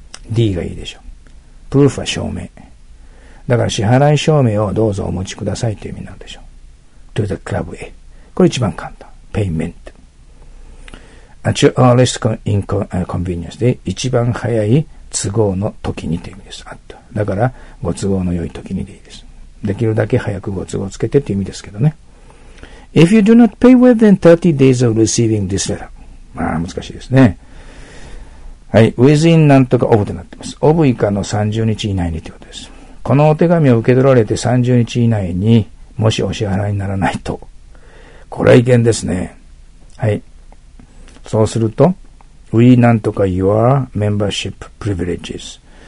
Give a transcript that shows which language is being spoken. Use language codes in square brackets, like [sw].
[ja] D がいいでしょ。proof は証明。だから支払い証明をどうぞお持ちくださいという意味なんでしょ。 [en] to the club [ja] へ。これ一番簡単。payment。 [en] at your earliest convenience [ja] で一番早い都合の時にという意味です。at。だから、ご都合の良い時にでいいです。できるだけ早くご都合つけてという意味ですけどね。 [en] if you do not pay within 30 days of receiving this letter. [ja] まあ、難しいですね。はい。within なんとか of となってます。 of 以下の30日以内にということです。このお手紙を受け取られて30日以内に、もしお支払いにならないと。これは意見ですね。はい。そうすると、we なんとか [en] your membership privileges。